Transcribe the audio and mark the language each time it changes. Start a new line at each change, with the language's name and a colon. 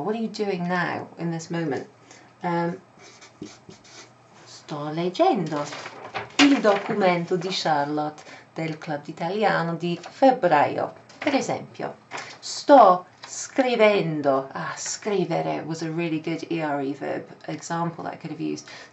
English: What are you doing now, in this moment?
Italian: Sto leggendo il documento di Charlotte del Club Italiano di febbraio. Per esempio, sto scrivendo.
English: Ah, scrivere was a really good ERE verb example I could have used.